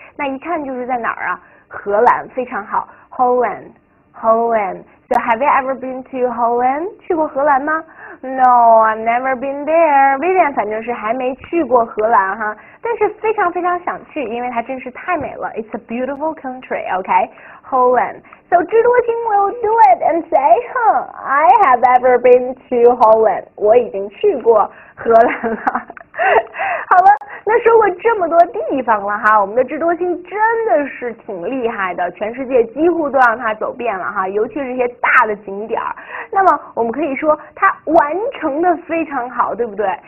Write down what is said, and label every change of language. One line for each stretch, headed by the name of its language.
Chinese: 那一看就是在哪儿啊？荷兰，非常好，Holland。
English: So have you ever been to Holland？
Chinese: 去过荷兰吗？
English: No, I've never been there.
Chinese: Vivian 反正是还没去过荷兰哈，但是非常非常想去，因为它真是太美了。
English: It's a beautiful country, okay? Holland. So 智多星 will do it and say, huh, I have ever been to Holland.
Chinese: 我已经去过荷兰了。好了，那说过这么多地方了哈，我们的智多星真的是挺厉害的，全世界几乎都让它走遍了哈，尤其是一些大的景点儿。那么我们可以说它完成的非常好，对不对？